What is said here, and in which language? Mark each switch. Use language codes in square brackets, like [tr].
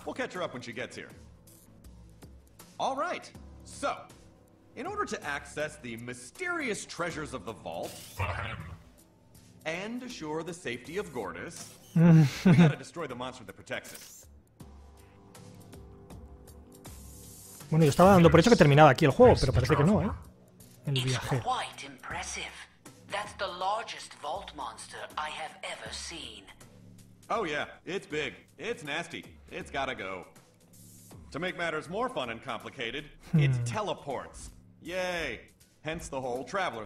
[en] We'll catch her up when she gets here. All right. So, in order to access the mysterious treasures of the vault and assure the safety of Gordis, we gotta destroy the monster that protects it. [es] Bueno, yo estaba dando por hecho que terminaba aquí el juego, pero parece que no, ¿eh? El viaje. [en] It's quite impressive. That's the largest vault monster I have ever seen. Oh yeah, it's big. It's nasty. It's gotta go. To make matters more fun and complicated, it teleports. Yay! Hence the whole traveler.